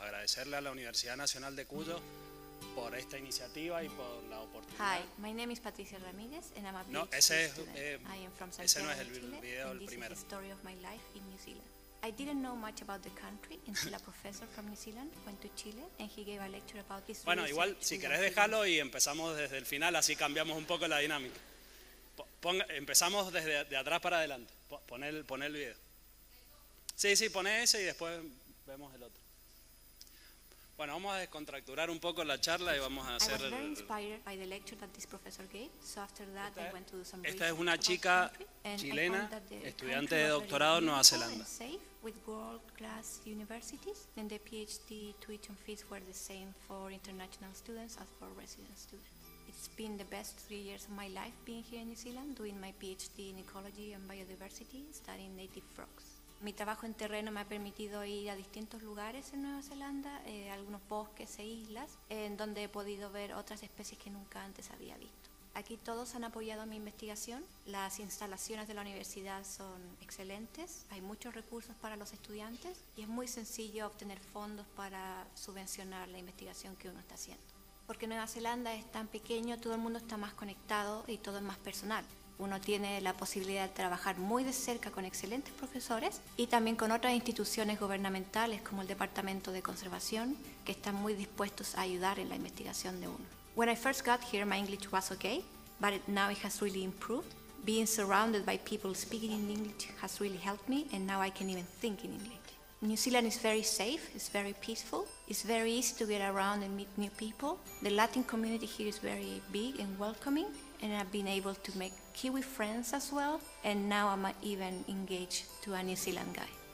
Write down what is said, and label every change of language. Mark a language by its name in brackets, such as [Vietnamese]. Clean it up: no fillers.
[Spanish] Agradecerle a la Universidad Nacional de Cuyo por esta iniciativa y por la oportunidad. [English] Hi, my name is Patricia Ramírez and I'm a PhD [Spanish] student. Ese no es el video, el primero. [English] This is the story of my life in New Zealand. I didn't know much about the country until a professor from New Zealand went to Chile and he gave a lecture about this. [Spanish] Bueno, igual si querés dejarlo y empezamos desde el final, así cambiamos un poco la dinámica. Empezamos desde de atrás para adelante. Poné el video. Sí, poné ese y después vemos el otro. Bueno, vamos a descontracturar un poco la charla y vamos a hacer. [English] I was very inspired by the lecture that this professor gave, so after that I went to do some research. [Spanish] Esta es una chica chilena, estudiante de doctorado en Nueva Zelanda. [English] Safe with world class universities, then the PhD tuition fees were the same for international students as for resident students. It's been the best 3 years of my life being here in New Zealand, doing my PhD in ecology and biodiversity, studying native frogs. [Spanish] Mi trabajo en terreno me ha permitido ir a distintos lugares en Nueva Zelanda, algunos bosques e islas, en donde he podido ver otras especies que nunca antes había visto. Aquí todos han apoyado mi investigación. Las instalaciones de la universidad son excelentes, hay muchos recursos para los estudiantes y es muy sencillo obtener fondos para subvencionar la investigación que uno está haciendo. Porque Nueva Zelanda es tan pequeño, todo el mundo está más conectado y todo es más personal. Uno tiene la posibilidad de trabajar muy de cerca con excelentes profesores y también con otras instituciones gubernamentales como el Departamento de Conservación que están muy dispuestos a ayudar en la investigación de uno. [English] When I first got here, my English was okay, but now it has really improved. Being surrounded by people speaking in English has really helped me and now I can even think in English. New Zealand is very safe, it's very peaceful, it's very easy to get around and meet new people. The Latin community here is very big and welcoming and I've been able to make Kiwi friends as well, and now I'm even engaged to a New Zealand guy.